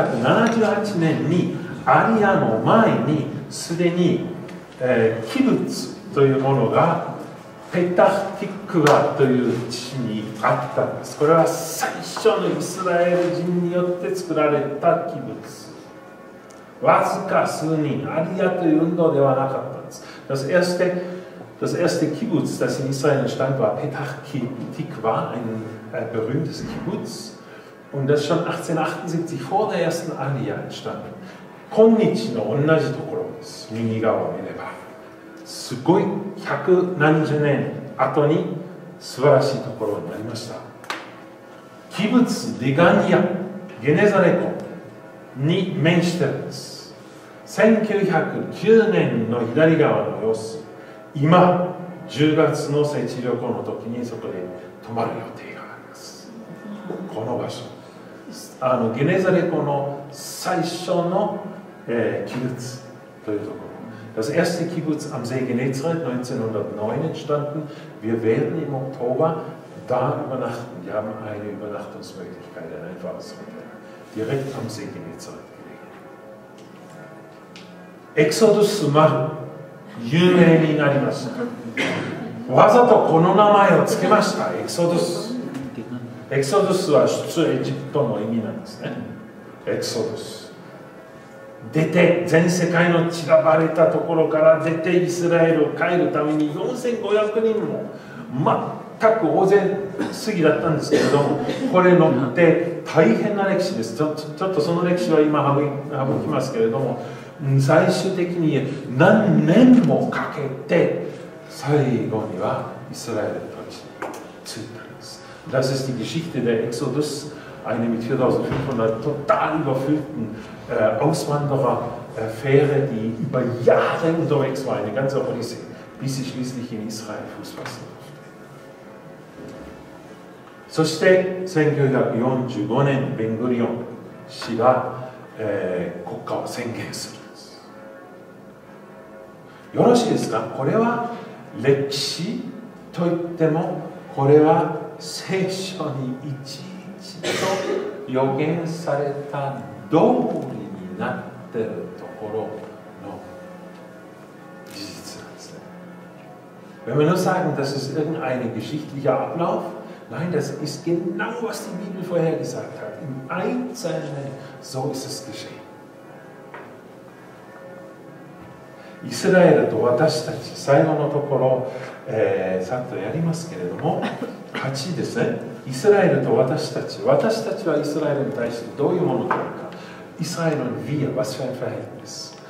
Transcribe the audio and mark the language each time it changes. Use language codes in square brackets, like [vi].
[ja] 1878年に、アリアの前に、すでに、キブツというものが、ペタフティクワという地にあったんです。これは最初のイスラエル人によって作られたキブツ。わずか数人、アリアという運動ではなかったんです。 [de] Das erste Kibbutz, das in Israel entstand, war Petach Tikva, ein berühmtes Kibbutz. Und das schon 1878 vor der ersten Aliyah entstanden. [ja] 今日の同じところです。右側を見れば。すごい百何十年後に素晴らしいところになりました。 Kibbutz Degania, Genezareko. に面しているんです。 1909年の左側の様子、今10月の聖地旅行の時にそこで泊まる予定があります。この場所、ゲネザレ湖の最初の、キブツというところ。 [de] Das erste Kibbutz am See Genezareth 1909 entstanden. Wir werden im Oktober da übernachten. Wir haben eine Übernachtungsmöglichkeit, ein einfaches Hotel. Direkt am See Genezareth gelegen. [ja] Exodus Mar, 有名になりました。わざとこの名前をつけました。 Exodus。 Exodus は出エジプトの意味なんですね。Exodus。出て全世界の散らばれたところから出てイスラエルを帰るために4500人も全く大勢過ぎだったんですけれども、これ乗って大変な歴史です。ちょっとその歴史は今省きますけれども、最終的に何年もかけて最後にはイスラエルたちに着いたんです。 [de] Das ist die Geschichte der Exodus, eine mit 4500 total überfüllten Auswandererfähre, die über Jahre unterwegs war, eine ganze Odyssee, bis sie schließlich in Israel Fuß fassen durfte. [ja] そして1945年ベングリオン氏が国家を宣言する。よろしいですか。これは歴史といっても、これは聖書にいちいちと予言された通りになっているところの事実なんですね。 [de] Wenn wir nur sagen, das ist irgendein geschichtlicher Ablauf, nein, das ist genau, was die Bibel vorhergesagt hat. Im Einzelnen, so ist es geschehen. [ja] イスラエルと私たち、最後のところ、さっとやりますけれども、8ですね。イスラエルと私たち、私たちはイスラエルに対してどういうものなのか。イスラエルの [de] Wir, was für ein Verhältnis。